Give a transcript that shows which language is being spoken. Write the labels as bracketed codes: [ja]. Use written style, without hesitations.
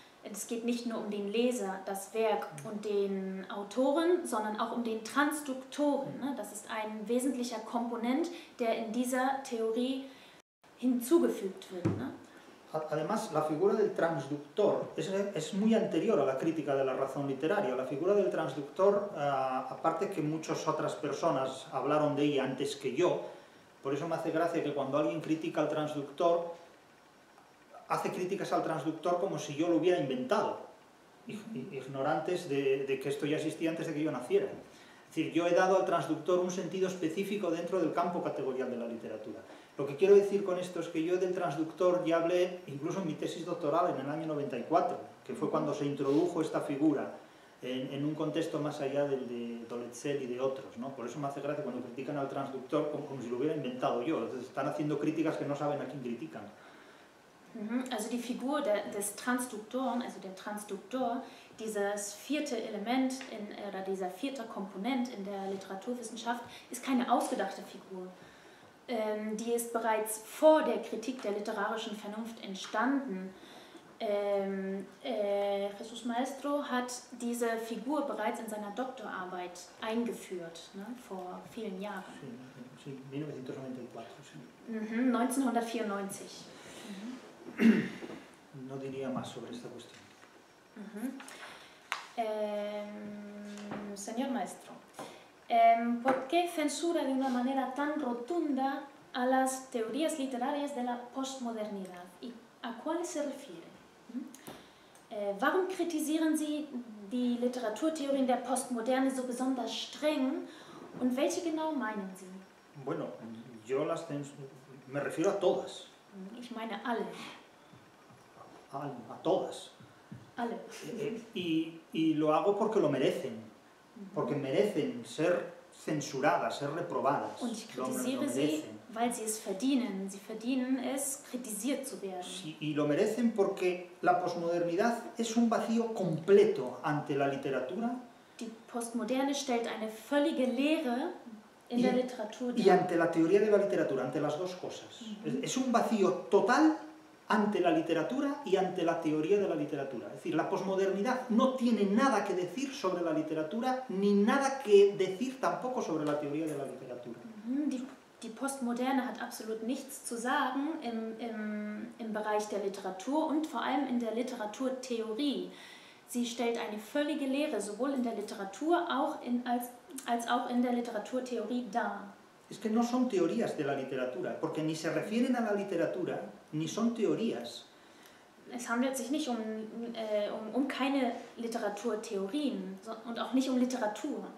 [de] Es geht nicht nur um den Leser, das Werk und den Autoren, sondern auch um den Transduktoren. Das ist ein wesentlicher Komponent, der in dieser Theorie hinzugefügt wird. [es] Además, la figura del transductor es muy anterior a la crítica de la razón literaria. La figura del transductor, aparte que muchas otras personas hablaron de ella antes que yo, por eso me hace gracia que cuando alguien critica al transductor, hace críticas al transductor como si yo lo hubiera inventado, ignorantes de que esto ya existía antes de que yo naciera. Es decir, yo he dado al transductor un sentido específico dentro del campo categorial de la literatura. Lo que quiero decir con esto es que yo del transductor ya hablé incluso en mi tesis doctoral en el año 94, que fue cuando se introdujo esta figura en un contexto más allá del de Dolezel y de otros, ¿no? Por eso me hace gracia cuando critican al transductor como si lo hubiera inventado yo. Entonces están haciendo críticas que no saben a quién critican. [de] Also die Figur des Transduktoren, also der Transduktor, dieses vierte Element in, oder dieser vierte Komponent in der Literaturwissenschaft, ist keine ausgedachte Figur. Die ist bereits vor der Kritik der literarischen Vernunft entstanden. Jesús Maestro hat diese Figur bereits in seiner Doktorarbeit eingeführt, ne, vor vielen Jahren. [es] Sí, sí, 1994, sí. Mm-hmm, 1994. Mm-hmm. No diría más sobre esta cuestión. Mm-hmm. Señor Maestro, ¿por qué censura de una manera tan rotunda a las teorías literarias de la postmodernidad? ¿Y a cuáles se refiere? [de] ¿Warum kritisieren Sie die Literaturtheorien der Postmoderne so besonders streng? ¿Und welche genau meinen Sie? [es] Bueno, yo las me refiero a todas. [de] Ich meine alle. [es] A todas. [de] Alle. [es] Y lo hago porque lo merecen. Porque merecen ser censuradas, ser reprobadas. [de] Und ich kritisiere sie, weil sie es verdienen. Sie verdienen es, kritisiert zu werden. [es] Sí, y lo merecen porque la posmodernidad es un vacío completo ante la literatura. [de] Die Postmoderne stellt eine völlige Leere in der Literatur dar. [es] Y ante la teoría de la literatura, ante las dos cosas. Mm-hmm. Es un vacío total ante la literatura y ante la teoría de la literatura. Es decir, la posmodernidad no tiene nada que decir sobre la literatura ni nada que decir tampoco sobre la teoría de la literatura. [de] Die Postmoderne hat absolut nichts zu sagen im Bereich der Literatur und vor allem in der Literaturtheorie. Sie stellt eine völlige Leere sowohl in der Literatur auch als auch in der Literaturtheorie dar. [es] Es que no son teorías de la literatura, porque ni se refieren a la literatura, ni son teorías. [de] Es handelt sich nicht um keine Literaturtheorien und auch nicht um Literatur.